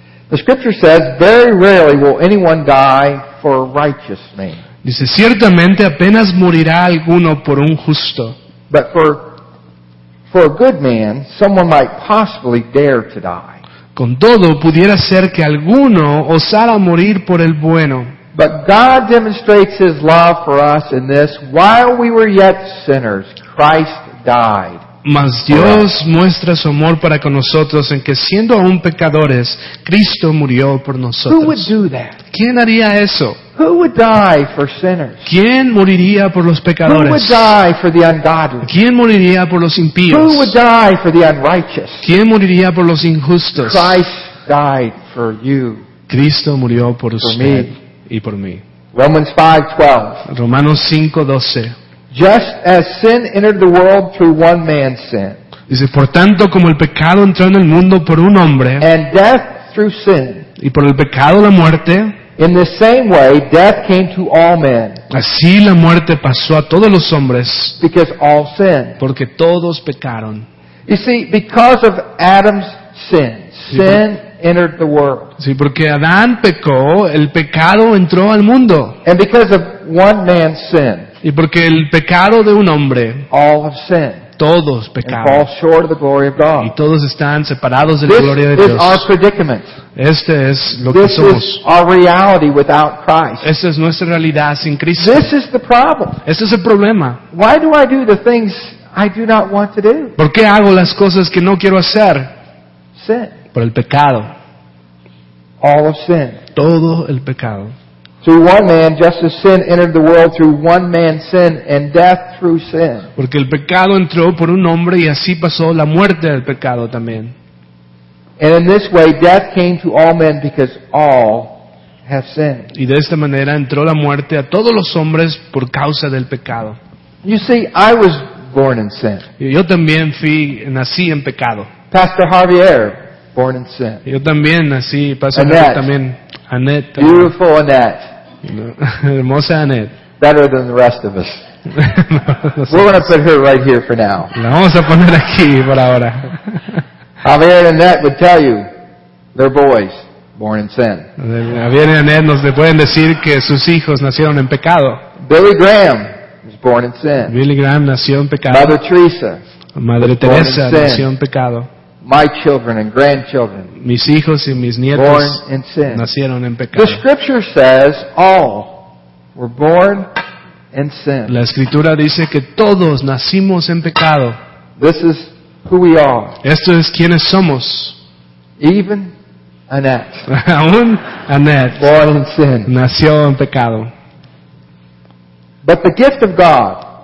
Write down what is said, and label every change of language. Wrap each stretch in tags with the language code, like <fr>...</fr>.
<en>The scripture says, very rarely will anyone die for a righteous man.</en> <es>Dice, ciertamente apenas morirá alguno por un justo.</es> <en>But for a good man, someone might possibly dare to die.</en> <es>Con todo, pudiera ser que alguno osara morir por el bueno.</es> <en>But God demonstrates His love for us in this. While we were yet sinners, Christ died.</en> <es>Mas Dios muestra su amor para con nosotros en que siendo aún pecadores, Cristo murió por nosotros.</es> <en>Who would do that?</en> <es>¿Quién haría eso?</es> <en>Who would die for sinners?</en> <es>¿Quién moriría por los pecadores?</es> <en>Who would die for the ungodly?</en> <es>¿Quién moriría por los impíos?</es> <en>Who would die for the unrighteous?</en> <es>¿Quién moriría por los injustos?</es> <en>Christ died for you.</en> <es>Cristo murió por usted</es> <en>me.</en> <es>Y por mí.</es> <en>Romans 5:12.</en> <es>Romanos 5:12.</es> <en>Just as sin entered the world through one man's sin.</en> <es>Dice, por tanto como el pecado entró en el mundo por un hombre.</es> <en>And death through sin.</en> <es>Y por el pecado la muerte.</es> <en>In the same way, death came to all men.</en> <es>Así la muerte pasó a todos los hombres.</es> <en>Because all sinned.</en> <es>Porque todos pecaron.</es> <en>You see, because of Adam's sin, sin entered the world.</en> <es>Sí, porque Adán pecó, el pecado entró al mundo.</es> <en>And because of one man's sin.</en> <es>Y porque el pecado de un hombre,</es> <en>all have sinned,</en> <es>todos pecaron,</es> <en>and fall short of the glory of God.</en> <es>Y todos están separados de</es> <en>this</en> <es>la gloria de</es> <en>is</en> <es>Dios.</es> <en>Our predicament.</en> <es>Este es lo</es> <en>this</en> <es>que somos.</es> <en>Is our reality without Christ.</en> <es>Esta es nuestra realidad sin Cristo.</es> <en>This is the problem.</en> <es>Este es el problema.</es> <en>Why do I do the things I do not want to do?</en> <es>¿Por qué hago las cosas que no quiero hacer?</es> <en>Sin.</en> <es>Por el pecado.</es> <en>All have sinned.</en> <es>Todo el pecado.</es> <en>Through one man, just as sin entered the world through one man's sin, and death through sin.</en> <es>Porque el pecado entró por un hombre y así pasó la muerte del pecado también.</es> <en>And in this way, death came to all men because all have sinned.</en> <es>Y de esta manera entró la muerte a todos los hombres por causa del pecado.</es> <en>You see, I was born in sin.</en> <es>Yo también nací en pecado.</es> <en>Pastor Javier, born in sin.</en> <es>Yo también nací, Pastor Javier también. Annette,</es> <en>beautiful Annette.</en> <es>Hermosa Annette.</es> <en>Better than the rest of us. We're going to put her right here for now.</en> <es>La vamos a poner aquí por ahora.</es> <en>Javier and Annette would tell you, they're boys, born in sin.</en> <es>Viene a Ned, nos pueden decir que sus hijos nacieron en pecado.</es> <en>Billy Graham was born in sin.</en> <es>Billy Graham nació en pecado.</es> <en>Mother Teresa.</en> <es>Madre Teresa nació en pecado.</es> <en>My children and grandchildren.</en> <es>Mis hijos y mis nietos</es> <en>born in sin.</en> <es>Nacieron en pecado.</es> <en>The scripture says all were born in sin.</en> <es>La escritura dice que todos nacimos en pecado.</es> <en>This is who we are.</en> <es>Esto es quienes somos.</es> <en>Even Annette.</en> <es>Aún Annette.</es> <en>Born in sin.</en> <es>Nació en pecado.</es> <en>But the gift of God.</en>